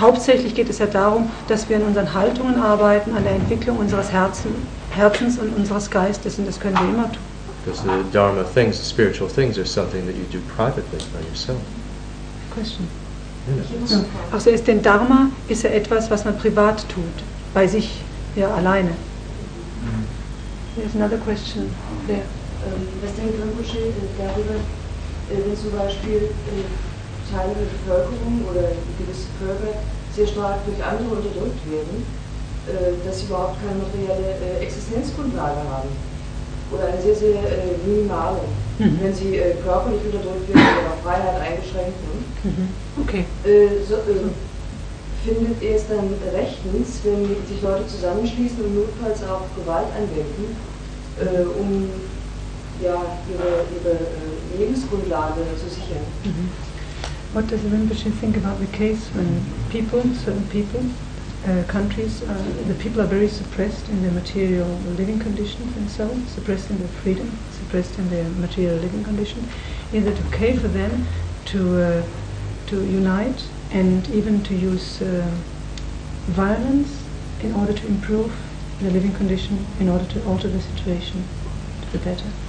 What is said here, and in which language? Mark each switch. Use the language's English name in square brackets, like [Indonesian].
[German] hauptsächlich geht es ja darum, dass wir an unseren Haltungen arbeiten, an der Entwicklung unseres Herzens und unseres Geistes, und das können wir immer tun. [English] Because the Dharma things, the spiritual things are something that you do privately by yourself. Question. [German] Also ist denn Dharma, ist ja etwas, was man privat tut, bei sich, ja, alleine. [English] There's another question there. [German] Was denkt Rinpoche darüber, wenn zum Beispiel Teile der Bevölkerung oder gewisse Völker sehr stark durch andere unterdrückt werden, dass sie überhaupt keine materielle Existenzgrundlage haben oder eine sehr, sehr minimale, wenn sie körperlich unterdrückt werden oder Freiheit eingeschränkt werden? Okay. Findet er es dann rechtens, wenn sich Leute zusammenschließen und notfalls auch Gewalt anwenden, um ja, ihre Lebensgrundlage zu sichern? Mm-hmm. [English] What does Rinpoche think about the case when people are very suppressed in their material living conditions and so, suppressed in their freedom, suppressed in their material living condition? Is it okay for them to unite and even to use violence in order to improve the living condition, in order to alter the situation to the better?